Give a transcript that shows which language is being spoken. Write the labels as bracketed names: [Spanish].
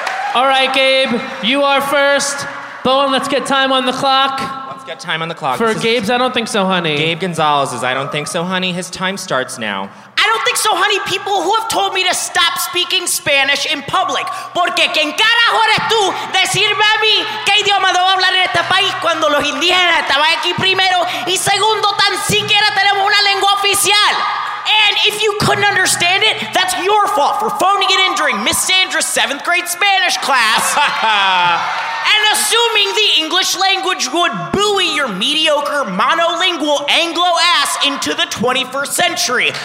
[English] All right, Gabe, you are first. Bowen, let's get time on the clock. Let's get time on the clock. For Gabe's, I don't think so, honey. Gabe Gonzalez's, I don't think so, honey. His time starts now. I don't think so, honey. People who have told me to stop speaking Spanish in public. [Spanish] Porque quien carajo eres tú decirme a mí qué idioma debo hablar en este país cuando los indígenas estaban aquí primero y segundo, tan siquiera tenemos una lengua oficial. [English] And if you couldn't understand it, that's your fault for phoning it in during Miss Sandra's 7th grade Spanish class. And assuming the English language would buoy your mediocre monolingual Anglo ass into the 21st century.